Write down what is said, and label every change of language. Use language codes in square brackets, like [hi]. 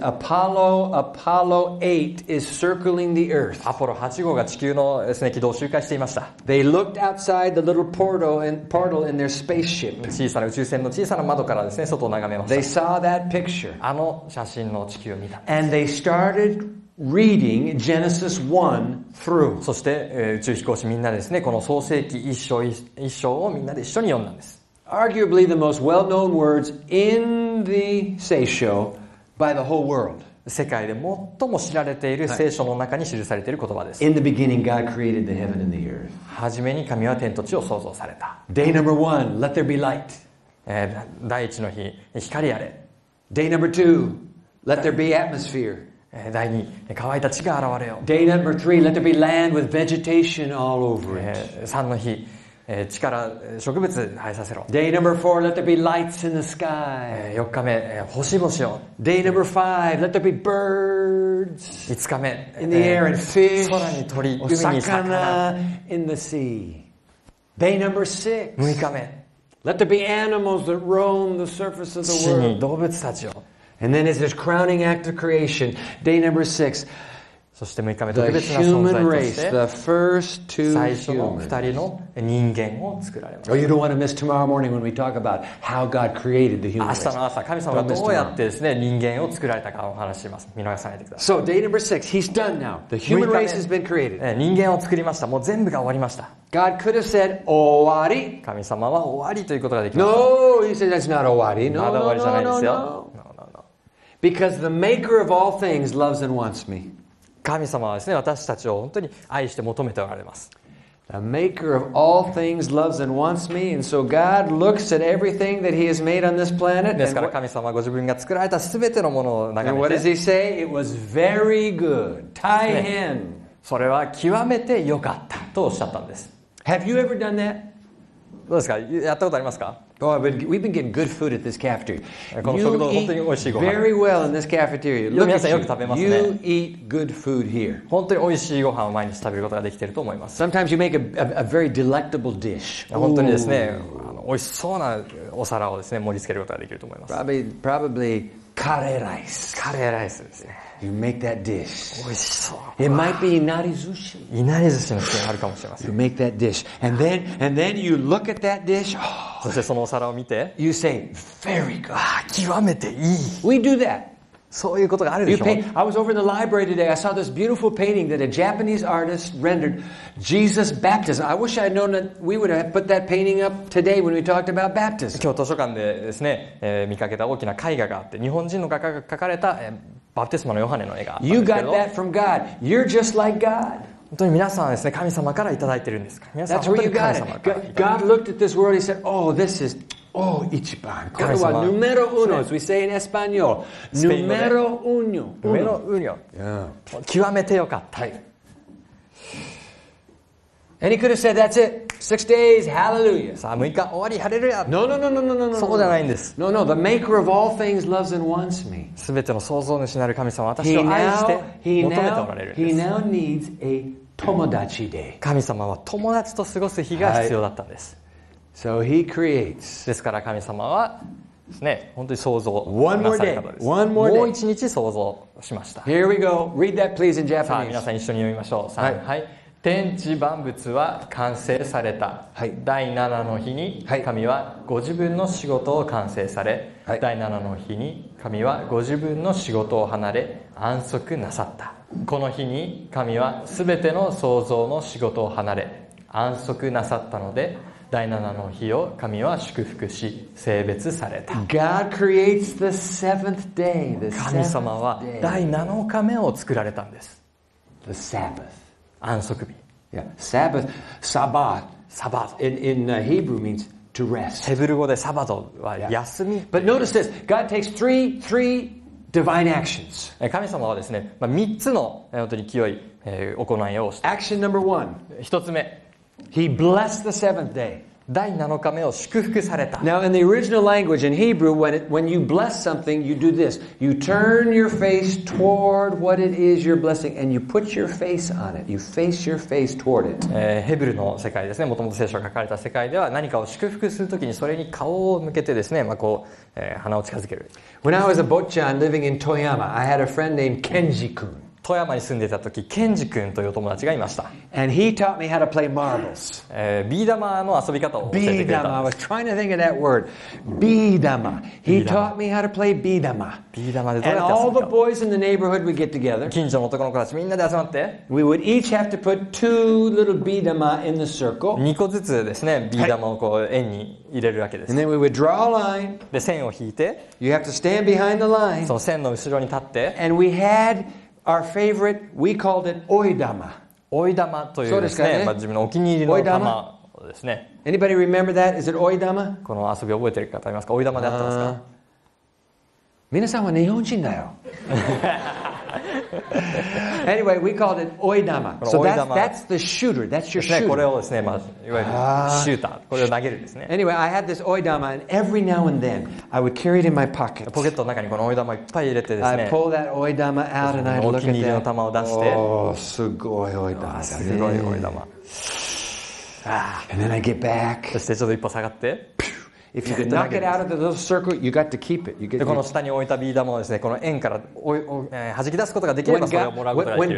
[en] Apollo 8 is circling the Earth. [ja] Apollo 8号が地球の軌道を周回していました。 [en] They looked outside the little portal in their spaceship. [ja] 小さな宇宙船の小さな窓からですね、外を眺めました。 [en] They saw that picture. [ja] あの写真の地球を見たんです。 [en] And they started reading Genesis 1 through. [ja] そして、宇宙飛行士みんなですね、この創世記一章一章をみんなで一緒に読んだんです。 [en] Arguably the most well-known words in the 聖書 by the whole world. [ja] 世界で最も知られている聖書の中に記されている言葉です。 [en] In the beginning, God created the heaven and the earth. [ja] はじめに神は天と地を創造された。 [en] Day number one, let there be light. [ja] 第一の日、光あれ。 [en] Day number two, let there be atmosphere. [ja] 第二、乾いた地が現れよ。 [en] Day number three, let there be land with vegetation all over it. [ja] 三の日、地から植物生えさせろ。 [en] Day number four, let there be lights in the sky. [ja] 四日目、星々を。 [en] Day number five, let there be birds. [ja] 五日目、 [en] in the air and fish. [ja] 空に鳥、海に魚。 [en] In the sea. Day number six. [ja] 六日目、 [en] let there be animals that roam the surface of the world. [ja] 地に動物たちを。 [en] And then, as this crowning act of creation, day number six, [ja] そして6日目、 [en] the human race, the first two humans, [ja] 最初の2人の人間を作られました。 [en] Oh, you don't want to miss tomorrow morning when we talk about how God created the human race. [ja] 明日の朝、神様がどうやってですね、人間を作られたかを話します。見逃さないでください。 [en] So, day number six, he's done now. The human race has been created. [ja] 人間を作りました。もう全部が終わりました。 [en] God could have said, 終わり。 [ja] 神様は終わりということができます。 [en] No, he said, that's not 終わり。 [ja] まだ終わりじゃないですよ。 [en] Because the maker of all things loves and wants me. [ja] 神様はですね、私たちを本当に愛して求めておられます。 [en] The maker of all things loves and wants me, and so God looks at everything that he has made on this planet. [ja] ですから神様はご自分が作られたすべてのものを眺めて。 [en] And what does he say? It was very good. 大変。 [ja] それは極めて良かったとおっしゃったんです。 [en] Have you ever done that? [ja] どうですか？やったことありますか？ [en] Oh, we've been getting good food at this cafeteria. You eat very well in this cafeteria. Look at you. You eat good food here. [ja] 本当に美味しいご飯を毎日食べることができていると思います。 [en] Sometimes you make a very delectable dish. [ja] 本当にですね、美味しそうなお皿をですね、盛り付けることができると思います。 [en] Probably カレーライス。 [ja] カレーライスですね。 [en] You make that dish. [ja] 美味しそう。 [en] It might be inari sushi. [ja] Inari sushi の点あるかもしれません。 [en] You make that dish. And then you look at that dish. [ja] そしてそのお皿を見て。 [en] You say, very good. [ja] 極めていい。 [en] We do that. [ja] そういうことがあるでしょう。 [en] I was over in the library today. I saw this beautiful painting that a Japanese artist rendered Jesus' baptism. I wish I'd known that we would have put that painting up today when we talked about baptism. [ja] 今日図書館でですね、見かけた大きな絵画があって、日本人の画家が描かれた、バプテスマのヨハネの絵があったんですけど。 [en] You got that from God. You're just like God. [ja] 本当に皆さんはですね、神様からいただいてるんですか。皆さん [en] That's where you got it. God looked at this world. He said, "Oh, this is oh [ja] 一番これは [es] número uno." [en] As we say in Espanol, [es] número uno, número uno. [en] Yeah. [ja] 極めてよかった。はい。 [en] And he could have said, "That's it. Six days. Hallelujah." [ja] さあ、6日終わり。ハレルヤ。 [en] No. [ja] そうじゃないんです。 [en] No. The Maker of all things loves and wants me. [ja] すべての創造主なる神様、私を愛して求めておられるんです。 [en] He now needs a 友達 day. [ja] 神様は友達と過ごす日が必要だったんです。 [en] So he creates. [ja] ですから神様はですね、本当に創造なさる方です。 [en] One more day. [ja] もう一日創造しました。 [en] Here we go. Read that, please, in Japanese. [ja] さあ、皆さん一緒に読みましょう。はい。はい。天地万物は完成された、はい、第七の日に神はご自分の仕事を完成され、はい、第七の日に神はご自分の仕事を離れ安息なさった。この日に神はすべての創造の仕事を離れ安息なさったので、第七の日を神は祝福し聖別された。 [en] God creates the seventh day. [ja] 神様は第七日目を作られたんです。 [en] The Sabbath. [ja] 安息日。 [en] Yeah. Sabbath, Sabbath. Sabbath. In Hebrew means to rest. [ja] ヘブル語でサバトは休み。 [en] But notice this. God takes three divine actions. [ja] 神様はですね、まあ、3つの本当に清い、行いをして。 [en] Action number one. [ja] 1つ目。 [en] He blessed the seventh day. [ja] 第7日目を祝福された。 [en] Now in the original language in Hebrew, when you bless something, you do this. You turn your face toward what it is you're blessing and you put your face on it. You face your face toward it. [ja] ヘブルの世界ですね。もともと聖書が書かれた世界では何かを祝福するときにそれに顔を向けてですね、まあ、こう、鼻を近づける。 [en] When I was a bochan living in Toyama, I had a friend named Kenji-kun. [ja] 富山に住んでいた時、ケンジ君という友達がいました。 [en] And he taught me how to play marbles. [ja] ビー玉の遊び方を教えてくれたんです。 [en] ビー玉。I was trying to think of that word. [ja] ビー玉。 [en] He taught me how to play ビー玉。 [ja] ビー玉でどうやって遊ぶか。 [en] And all the boys in the neighborhood would get together. [ja] 近所の男の子たちみんなで集まって。 [en] We would each have to put two little ビー玉 in the circle. [ja] 2個ずつですね、ビー玉をこう円に入れるわけです。 [en] And then we would draw a line. [ja] で、線を引いて。 [en] You have to stand behind the line. [ja] その線の後ろに立って。 [en] And we hadOur favorite, we called it Oidama. [ja] Oidama というですね、まあ、自分のお気に入りの玉ですね。 [en] Anybody remember that? Is it Oidama? [ja] この遊び覚えてる方いますか？Oidama であったんですか？皆さんは日本人だよ。 [en] Anyway, we called it Oidama. So that's the shooter. That's your shooter. [ja] これをですね、まあ、いわゆるシューター。これを投げるですね。 [en] Anyway, I had this Oidama and every now and then, I would carry it in my pocket. [ja] ポケットの中にこの Oidama いっぱい入れてですね。 [en] I'd pull that Oidama out and I'd look at it. [ja] お気に入りの玉を出して。おー、すごい Oidama。すごい Oidama。 [en] And then I get back. [ja] そしてちょっと一歩下がって。 [en] If you could knock it out of the little circle, you got to keep it. [ja] で、この下に置いたビー玉をですね、この円から弾き出すことができればそれをもらうことができる。